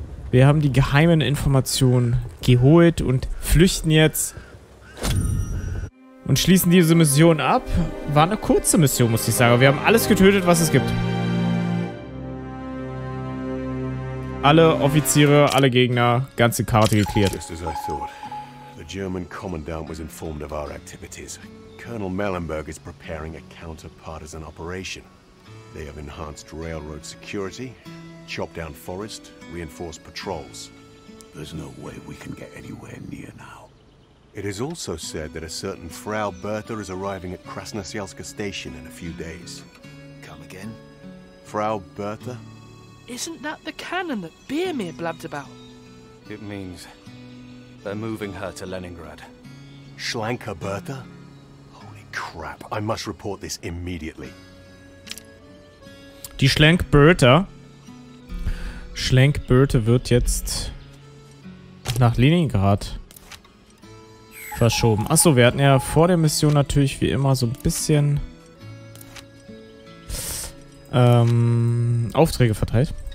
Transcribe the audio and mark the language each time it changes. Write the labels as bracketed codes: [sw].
[de] Wir haben die geheimen Informationen geholt und flüchten jetzt und schließen diese Mission ab. War eine kurze Mission, muss ich sagen. Wir haben alles getötet, was es gibt. Alle Offiziere, alle Gegner, ganze Karte geklärt. [en] Just as I thought. The German Commandant was informed of our activities. Colonel Mellenberg is preparing a counter-partisan operation. They have enhanced railroad security, chopped down forest, reinforced patrols. There's no way we can get anywhere near now. It is also said that a certain Frau Bertha is arriving at Krasnoselska station in a few days. Come again? Frau Bertha? Isn't that the cannon that Birmir blabbed about? It means they're moving her to Leningrad. [de] Schlanker Bertha? [en] Holy crap, I must report this immediately. [de] Die Schlenk-Bertha. Schlenk-Bertha wird jetzt nach Leningrad verschoben. Achso, wir hatten ja vor der Mission natürlich wie immer so ein bisschen Aufträge verteilt.